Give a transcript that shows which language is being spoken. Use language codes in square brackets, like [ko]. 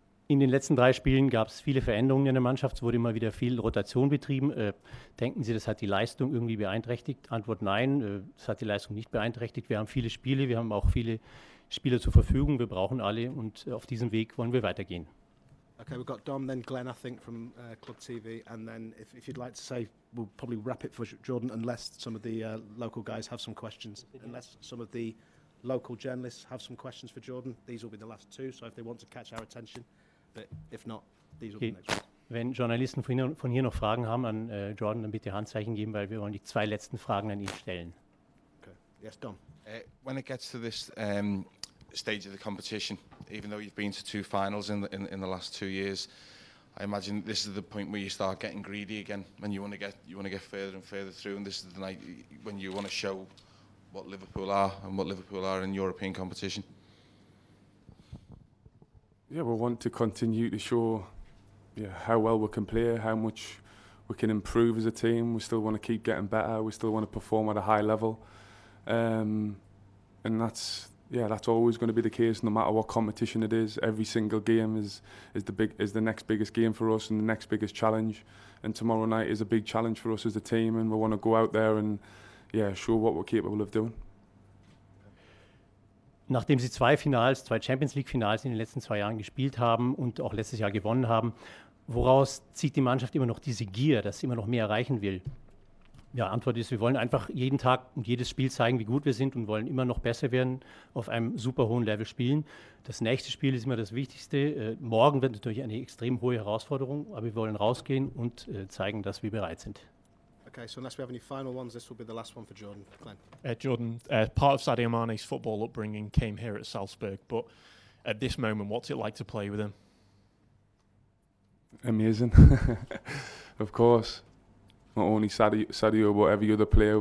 [de] In den letzten drei Spielen gab es viele Veränderungen in der Mannschaft, es wurde immer wieder viel Rotation betrieben. Denken Sie, das hat die Leistung irgendwie beeinträchtigt? Antwort nein, das hat die Leistung nicht beeinträchtigt. Wir haben viele Spiele, wir haben auch viele Spieler zur Verfügung, wir brauchen alle, und auf diesem Weg wollen wir weitergehen. [en] Okay, we've got Dom, then Glenn, I think, from Club TV, and then if you'd like to say, we'll probably wrap it for Jordan, unless some of the local guys have some questions. Unless some of the local journalists have some questions for Jordan, these will be the last two, so if they want to catch our attention. But if not, these will be the next ones. [de] Wenn Journalisten von hier noch Fragen haben an Jordan, dann bitte Handzeichen geben, weil wir wollen die zwei letzten Fragen an ihn stellen. [en] Okay. Yes, Dom. When it gets to this stage of the competition, even though you've been to two finals in the last 2 years, I imagine this is the point where you start getting greedy again, and you want to get further and further through, and this is the night when you want to show what Liverpool are and what Liverpool are in European competition. Yeah, we want to continue to show how well we can play, how much we can improve as a team. We still want to keep getting better, we still want to perform at a high level, and that's always going to be the case, no matter what competition it is. Every single game is the next biggest game for us and the next biggest challenge. And tomorrow night is a big challenge for us as a team, and we want to go out there and show what we're capable of doing. [de] Nachdem Sie zwei Champions League Finals in den letzten zwei Jahren gespielt haben und auch letztes Jahr gewonnen haben, woraus zieht die Mannschaft immer noch diese Gier, dass sie immer noch mehr erreichen will? Ja, Antwort ist, wir wollen einfach jeden Tag und jedes Spiel zeigen, wie gut wir sind, und wollen immer noch besser werden, auf einem super hohen Level spielen. Das nächste Spiel ist immer das Wichtigste. Morgen wird natürlich eine extrem hohe Herausforderung, aber wir wollen rausgehen und zeigen, dass wir bereit sind. [en] Okay, so unless we have any final ones, this will be the last one for Jordan. Glenn. Jordan, part of Sadio Mane's football upbringing came here at Salzburg, but at this moment, what's it like to play with him? Amazing. Of course. Not only Sadio, but every other player.